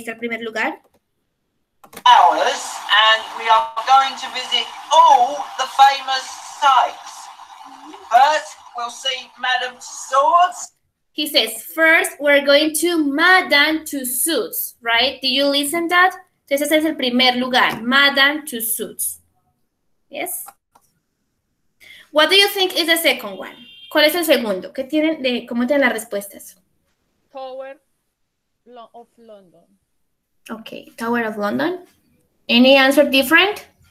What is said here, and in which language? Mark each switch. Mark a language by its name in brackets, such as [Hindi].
[Spanish] Ahí está el primer lugar. [English] Hours and we are going to visit all the famous sites. First, we'll see Madame Tussauds. He says, first, we're going to Madame Tussauds, right? Did you listen that? [Spanish] Entonces, ese es el primer lugar, Madame Tussauds. [English] Yes? What do you think is the second one? [Spanish] ¿Cuál es el segundo? ¿Qué tienen de, cómo tienen las respuestas? [English] Tower of London. Okay, Tower of London. Any answer different?